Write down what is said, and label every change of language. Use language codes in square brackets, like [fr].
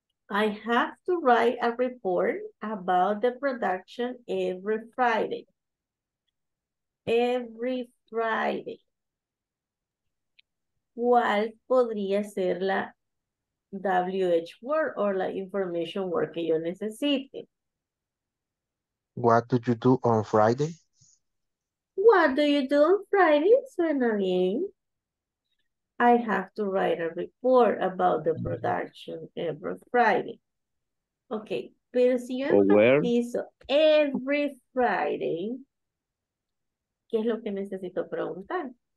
[en] I have to write a report about the production every Friday. Every Friday. [es] ¿Cuál podría ser la [en] WH word or [es] la [en] information word [es] que yo necesite? [en] What do you do on Friday? What do you do on Friday? [es] Suena bien. [en] I have to write a report about the production every Friday. [es] Okay, pero si yo enfatizo [en] every Friday, [es] ¿qué es lo que necesito preguntar?